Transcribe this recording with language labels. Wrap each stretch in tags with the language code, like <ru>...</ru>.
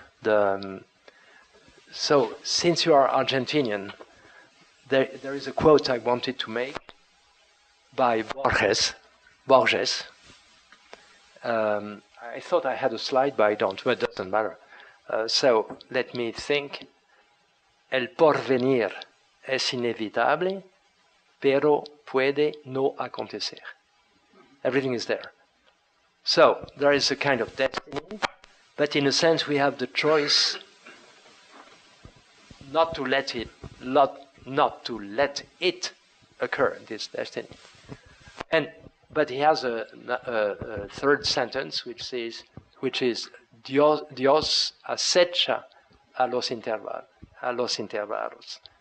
<en>So since you are Argentinian, there is a quote I wanted to make by Borges. I thought I had a slide, but I don't. But it doesn't matter. So let me think.</en> <es>El porvenir es inevitable, pero puede no acontecer.</es> <en>Everything is there. So there is a kind of destiny, but in a sense we have the choice not to let it, not to let it occur, this destiny. And but he has a third sentence which says, which is</en> <es>Dios acecha a los intervalos.</es>